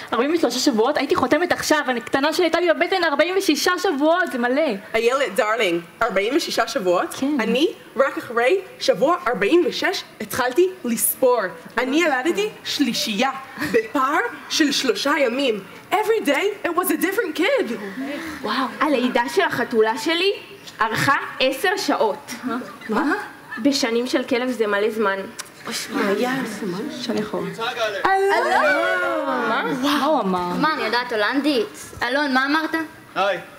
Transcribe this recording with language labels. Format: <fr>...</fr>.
<he>43 שבועות? הייתי חותמת עכשיו, הקטנה שלי הייתה לי בבטן 46 שבועות, זה מלא. הילד, דארלינג, 46 שבועות? כן. אני, רק אחרי שבוע 46, התחלתי לספור. אני ילדתי שלישייה, בפער של 3 ימים.</he> <en>Every day, it was a different kid.</en> <he>וואו. הלידה של החתולה שלי ארכה 10 שעות. מה? בשנים של כלב זה מלא זמן. אוי, יאי, זה מה? שאני יכול. אלון! מה? וואו, אמר. מה, אני יודעת הולנדית. אלון, מה אמרת? היי.</he>